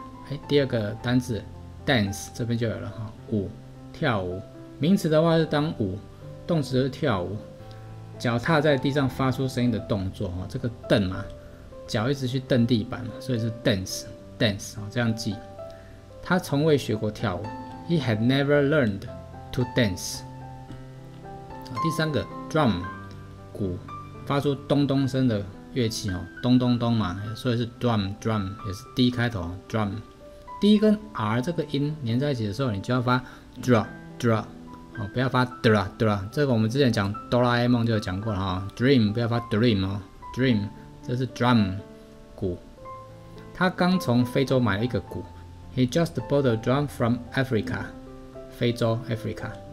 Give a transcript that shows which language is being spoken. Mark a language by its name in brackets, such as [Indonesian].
[Chinese] 哎，第二个单字 dance 这边就有了哈，舞，跳舞。名词的话是当舞，动词是跳舞。脚踏在地上发出声音的动作哈，这个蹬嘛，脚一直去蹬地板，所以是 dance 这样记。他从未学过跳舞。 [English] He had never learned to dance. [Chinese] 第三个 drum， 鼓，发出咚咚声的乐器哦，咚咚咚嘛，所以是 drum， 也是 D 开头 drum，D 跟 R 这个音连在一起的时候，你就要发 dra， 哦，不要发 dra， 这个我们之前讲哆啦 A 梦就有讲过了，哦，dream 不要发 dream 哦 ，dream 这是 drum， 鼓，他刚从非洲买了一个鼓 ， [English] He just bought a drum from Africa， [Chinese] 非洲 Africa。